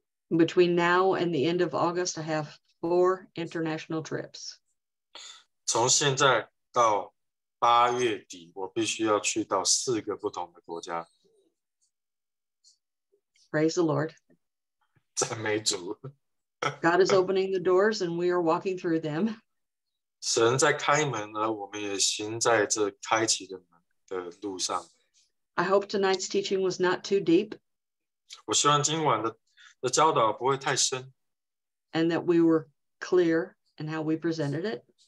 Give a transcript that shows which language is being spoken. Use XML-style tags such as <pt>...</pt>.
<en>Between now and the end of August, I have 4 international trips.</en> <zh>从现在到8月底，我必须要去到4个不同的国家。</zh> <en>Praise the Lord.</en> <zh>赞美主。</zh> <en>God is opening the doors and we are walking through them.</en> <zh>神在开门呢，我们也行在这开启的门的路上。</zh> <en>I hope tonight's teaching was not too deep.</en> <zh>我希望今晚的教导不会太深。</zh> <en>And that we were clear in how we presented it.</en>